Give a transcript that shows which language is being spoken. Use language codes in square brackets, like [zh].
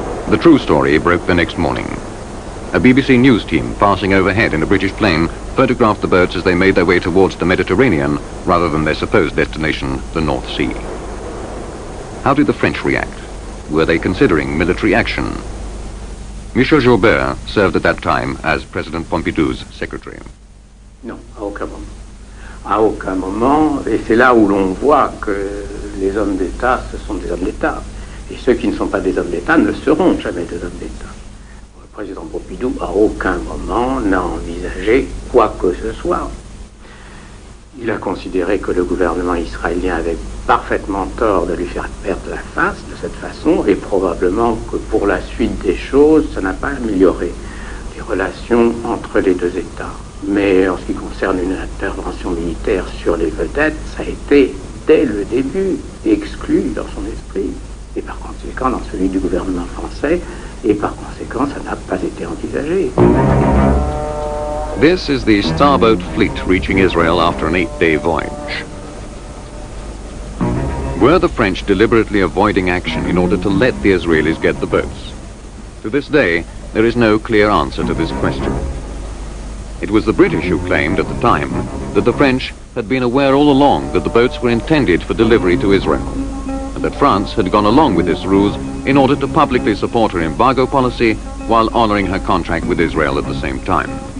[en] The true story broke the next morning. A BBC news team passing overhead in a British plane photographed the boats as they made their way towards the Mediterranean rather than their supposed destination, the North Sea. How did the French react? Were they considering military action? Michel Joubert served at that time as President Pompidou's secretary. [fr] Non, à aucun moment. À aucun moment, et c'est là où l'on voit que les hommes d'État, ce sont des hommes d'État. Et ceux qui ne sont pas des hommes d'État ne seront jamais des hommes d'État. Le président Pompidou, à aucun moment, n'a envisagé quoi que ce soit. Il a considéré que le gouvernement israélien avait parfaitement tort de lui faire perdre la face de cette façon, et probablement que pour la suite des choses, ça n'a pas amélioré les relations entre les deux États. Mais en ce qui concerne une intervention militaire sur les vedettes, ça a été, dès le début, exclu dans son esprit, et par conséquent dans celui du gouvernement français, et par conséquent, ça n'a pas été envisagé. [en] This is the starboard fleet reaching Israel after an eight-day voyage. Were the French deliberately avoiding action in order to let the Israelis get the boats? To this day, there is no clear answer to this question. It was the British who claimed at the time that the French had been aware all along that the boats were intended for delivery to Israel, and that France had gone along with this ruse in order to publicly support her embargo policy while honoring her contract with Israel at the same time.